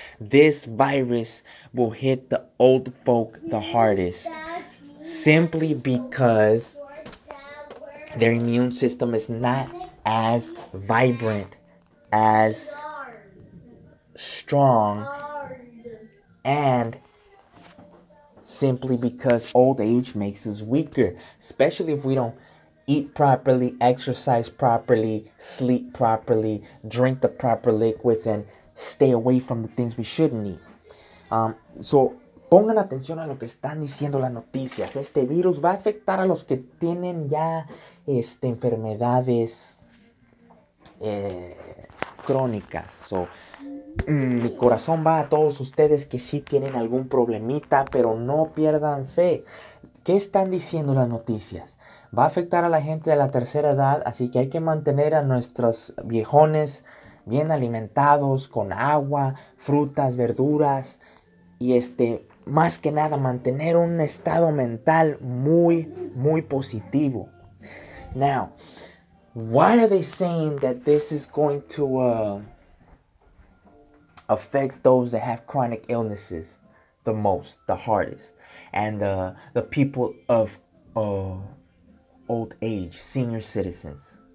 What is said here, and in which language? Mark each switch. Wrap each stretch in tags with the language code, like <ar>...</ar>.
<en>This virus will hit the old folk the hardest simply because their immune system is not as vibrant, as strong, and simply because old age makes us weaker, especially if we don't eat properly, exercise properly, sleep properly, drink the proper liquids, and stay away from the things we shouldn't eat.</en> <es>So, pongan atención a lo que están diciendo las noticias. Este virus va a afectar a los que tienen ya enfermedades crónicas. So, mi corazón va a todos ustedes que sí tienen algún problemita, pero no pierdan fe. ¿Qué están diciendo las noticias? Va a afectar a la gente de la tercera edad, así que hay que mantener a nuestros viejones bien alimentados, con agua, frutas, verduras, y más que nada mantener un estado mental muy, muy positivo.</es> <en>Now, why are they saying that this is going to affect those that have chronic illnesses the most, the hardest, and the people of old age, senior citizens?</en>